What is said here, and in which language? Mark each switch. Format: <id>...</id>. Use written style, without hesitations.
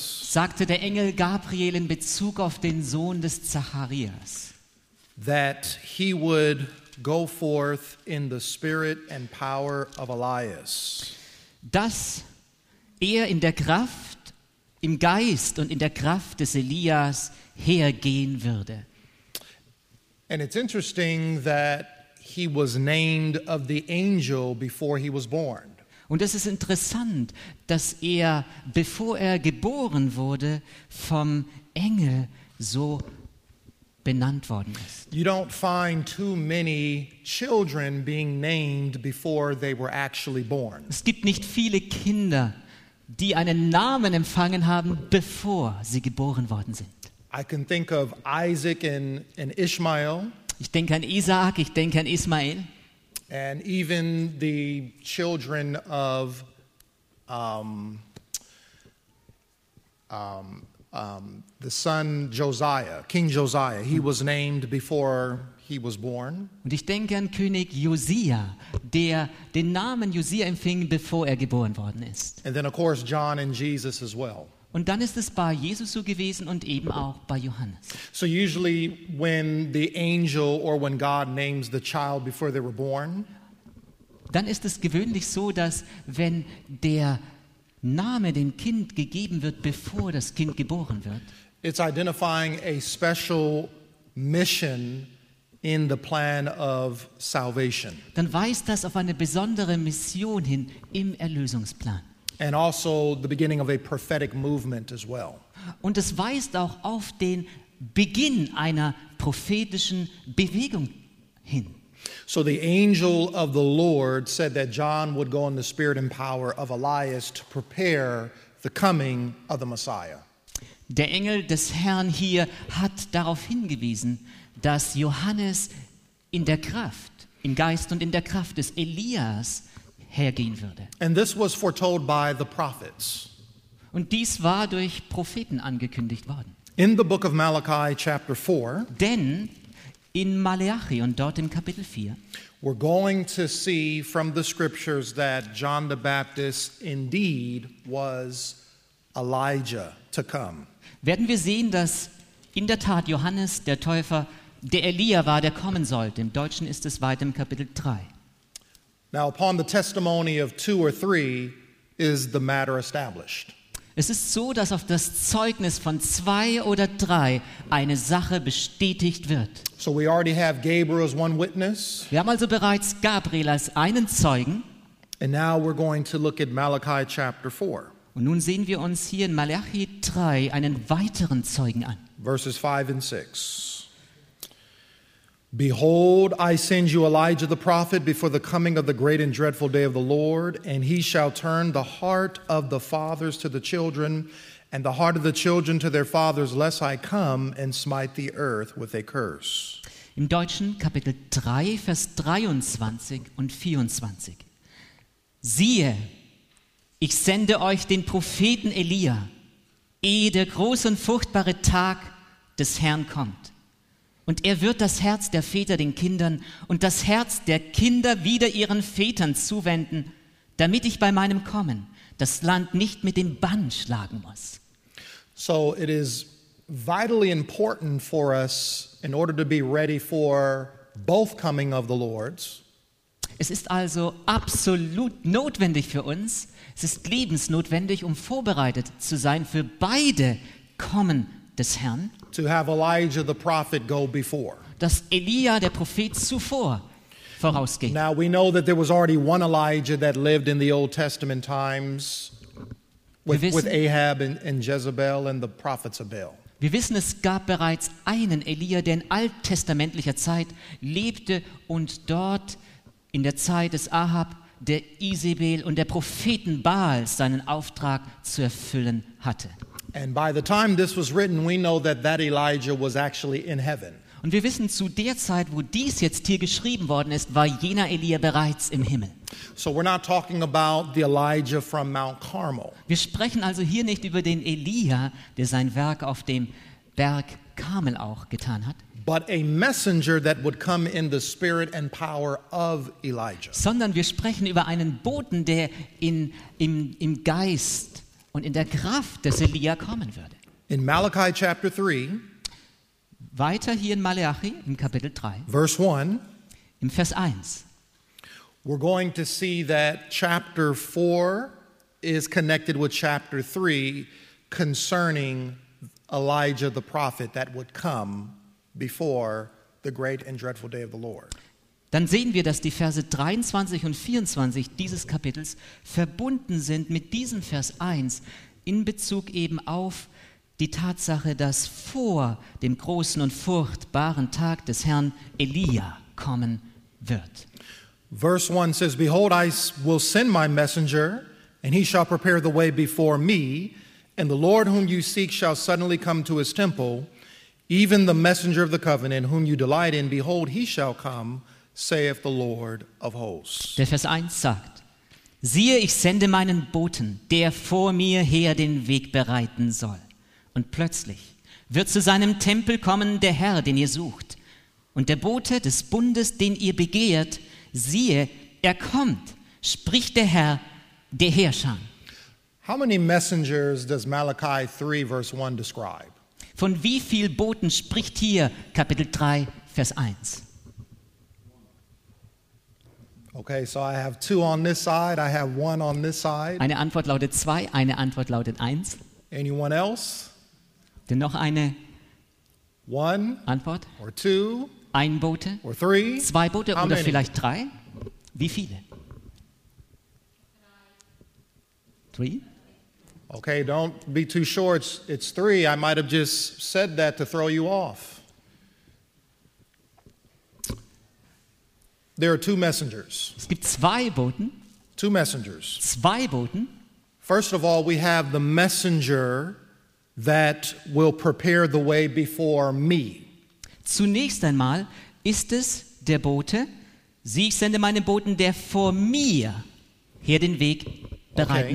<de>Sagte der Engel Gabriel in Bezug auf den Sohn des Zacharias.</de> <en>That he would go forth in the spirit and power of Elias.</en> <de>Dass er in der Kraft, im Geist und in der Kraft des Elias hergehen würde.</de> <en>And it's interesting that he was named of the angel before he was born.</en> <de>Und es ist interessant, dass er, bevor er geboren wurde, vom Engel so benannt worden ist.</de> <en>You don't find too many children being named before they were actually born.</en> <de>Es gibt nicht viele Kinder, die einen Namen empfangen haben, bevor sie geboren worden sind.</de> <en>I can think of Isaac and Ishmael.</en> <de>Ich denke an Isaac, ich denke an Ismael.</de> <en>And even the children of the son Josiah, King Josiah, he was named before he was born.</en> <de>Und ich denke an König Josia, der den Namen Josia empfing, bevor er geboren worden ist.</de> <en>And then of course John and Jesus as well.</en> <de>Und dann ist es bei Jesus so gewesen und eben auch bei Johannes.</de> <en>So usually when the angel or when God names the child before they were born,</en> <de>dann ist es gewöhnlich so, dass wenn der Name dem Kind gegeben wird, bevor das Kind geboren wird,</de> <en>it's identifying a special mission in the plan of salvation.</en> <de>Dann weist das auf eine besondere Mission hin im Erlösungsplan.</de> <en>And also the beginning of a prophetic movement as well.</en> <de>Und es weist auch auf den Beginn einer prophetischen Bewegung hin.</de> <en>So the angel of the Lord said that John would go in the spirit and power of Elias to prepare the coming of the Messiah.</en> <de>Der Engel des Herrn hier hat darauf hingewiesen, dass Johannes in der Kraft, im Geist und in der Kraft des Elias hergehen würde.</de> <en>And this was foretold by the prophets.</en> <de>Und dies war durch Propheten angekündigt worden.</de> <en>In the book of Malachi, chapter 4,</en> <de>denn in Malachi und dort in Kapitel 4,</de> <en>we're going to see from the scriptures that John the Baptist indeed was Elijah to come.</en> <de>Werden wir sehen, dass in der Tat Johannes der Täufer der Elia war, der kommen sollte. Im Deutschen ist es weiter im Kapitel 3.</de> <en>Now upon the testimony of two or three is the matter established.</en> <de>Es ist so, dass auf das Zeugnis von zwei oder drei eine Sache bestätigt wird.</de> <en>So we already have Gabriel as one witness.</en> <de>Wir haben also bereits Gabriel als einen Zeugen.</de> <en>And now we're going to look at Malachi chapter 4.</en> <de>Und nun sehen wir uns hier in Malachi 3 einen weiteren Zeugen an.</de> <en>Verses 5 and 6. Behold, I send you Elijah the prophet before the coming of the great and dreadful day of the Lord, and he shall turn the heart of the fathers to the children, and the heart of the children to their fathers, lest I come and smite the earth with a curse.</en> <de>Im Deutschen Kapitel 3, Vers 23 und 24. Siehe, ich sende euch den Propheten Elia, ehe der große und furchtbare Tag des Herrn kommt. Und er wird das Herz der Väter den Kindern und das Herz der Kinder wieder ihren Vätern zuwenden, damit ich bei meinem Kommen das Land nicht mit dem Bann schlagen muss.</de> <en>So it is vitally important for us in order to be ready for both coming of the Lord's.</en> <de>Es ist also absolut notwendig für uns, es ist lebensnotwendig, um vorbereitet zu sein für beide Kommen des Herrn.</de> <en>To have Elijah the prophet go before.</en> <de>Dass Elia der Prophet zuvor vorausgeht.</de> <en>Now we know that there was already one Elijah that lived in the Old Testament times with Ahab and Jezebel and the prophets of Baal.</en> <de>Wir wissen, es gab bereits einen Elia, der in alttestamentlicher Zeit lebte und dort in der Zeit des Ahab, der Isabel und der Propheten Baals seinen Auftrag zu erfüllen hatte.</de> <en>And by the time this was written, we know that that Elijah was actually in heaven.</en> <de>Und wir wissen, zu der Zeit, wo dies jetzt hier geschrieben worden ist, war jener Elia bereits im Himmel.</de> <en>So we're not talking about the Elijah from Mount Carmel.</en> <de>Wir sprechen also hier nicht über den Elia, der sein Werk auf dem Berg Karmel auch getan hat.</de> <en>But a messenger that would come in the spirit and power of Elijah.</en> <de>Sondern wir sprechen über einen Boten, der im Geist und in der Kraft des Elia kommen würde.</de> <en>In Malachi chapter 3.</en> <de>Weiter hier in Malachi im Kapitel 3.</de> <en>Verse 1.</en> <de>Im Vers 1.</de> <en>We're going to see that chapter 4 is connected with chapter 3 concerning Elijah the prophet that would come before the great and dreadful day of the Lord.</en> <de>Dann sehen wir, dass die Verse 23 und 24 dieses Kapitels verbunden sind mit diesem Vers 1 in Bezug eben auf die Tatsache, dass vor dem großen und furchtbaren Tag des Herrn Elia kommen wird.</de> <en>Verse 1 says, Behold, I will send my messenger, and he shall prepare the way before me, and the Lord whom you seek shall suddenly come to his temple, even the messenger of the covenant whom you delight in, behold, he shall come, saith the Lord of hosts.</en> <de>Der Vers 1 sagt, Siehe, ich sende meinen Boten, der vor mir her den Weg bereiten soll. Und plötzlich wird zu seinem Tempel kommen der Herr, den ihr sucht. Und der Bote des Bundes, den ihr begehrt, siehe, er kommt, spricht der Herr, der Herrscher.</de> <en>How many messengers does Malachi 3, verse 1 describe?</en> <de>Von wie vielen Boten spricht hier Kapitel 3, Vers 1?</de> <en>Okay, so I have two on this side, I have one on this side.</en> <de>Eine Antwort lautet 2, eine Antwort lautet 1.</de> <en>Anyone else?</en> <de>Denn noch eine</de> <en>one</en> <de>Antwort?</de> <en>Or two?</en> <de>Ein Bote?</de> <en>Or three?</en> <de>Zwei Bote?</de> <en>How</en> <de>oder</de> <en>many?</en> <de>Vielleicht drei? Wie viele?</de> <en>Three? Okay, don't be too sure. It's three. I might have just said that to throw you off. There are two messengers.</en> <de>Es gibt zwei Boten.</de> <en>Two messengers.</en> <de>Zwei Boten.</de> <en>First of all, we have the messenger that will prepare the way before me.</en> <de>Zunächst einmal ist es der Bote. Sie, ich sende meinen Boten, der vor mir her den Weg bereiten</de>